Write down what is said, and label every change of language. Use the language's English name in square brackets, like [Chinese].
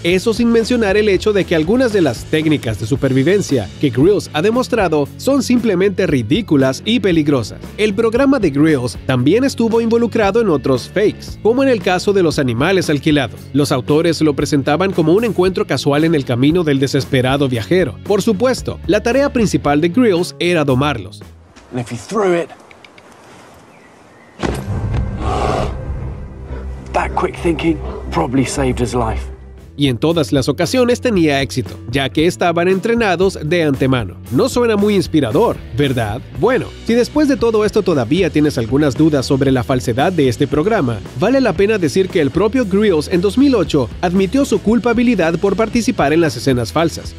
[Spanish] Eso sin mencionar el hecho de que algunas de las técnicas de supervivencia que Grylls ha demostrado son simplemente ridículas y peligrosas. El programa de Grylls también estuvo involucrado en otros fakes, como en el caso de los animales alquilados. Los autores lo presentaban como un encuentro casual en el camino del desesperado viajero. Por supuesto, la tarea principal de Grylls era domarlos. [English] And if you threw it that quick thinking probably saved his life. [Spanish] Y en todas las ocasiones tenía éxito, ya que estaban entrenados de antemano. No suena muy inspirador, ¿verdad? Bueno, si después de todo esto todavía tienes algunas dudas sobre la falsedad de este programa, vale la pena decir que el propio Grylls en 2008 admitió su culpabilidad por participar en las escenas falsas.